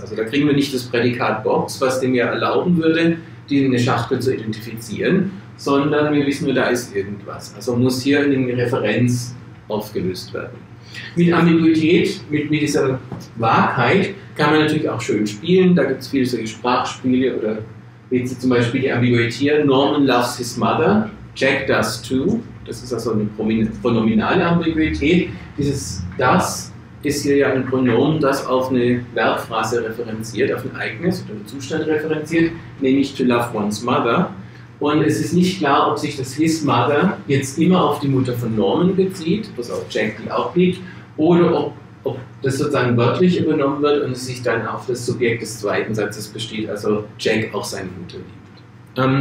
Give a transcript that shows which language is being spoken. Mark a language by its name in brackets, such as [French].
[German] Also da kriegen wir nicht das Prädikat Box, was dem ja erlauben würde, diese Schachtel zu identifizieren, sondern wir wissen nur, da ist irgendwas. Also muss hier eine Referenz aufgelöst werden. Mit Ambiguität, mit dieser Wahrheit, kann man natürlich auch schön spielen. Da gibt es viele solche Sprachspiele oder wie Sie zum Beispiel die Ambiguität hier. [English] Norman loves his mother, Jack does too. [German] Das ist also eine pronominale Ambiguität. Dieses das ist hier ja ein Pronomen, das auf eine Verbphrase referenziert, auf ein Ereignis oder einen Zustand referenziert, nämlich [English] to love one's mother. [German] Und es ist nicht klar, ob sich das [English] his mother [German] jetzt immer auf die Mutter von Norman bezieht, was auch Jack die auch liegt, oder ob das sozusagen wörtlich übernommen wird und es sich dann auf das Subjekt des zweiten Satzes besteht, also Jack auch seine Mutter liebt.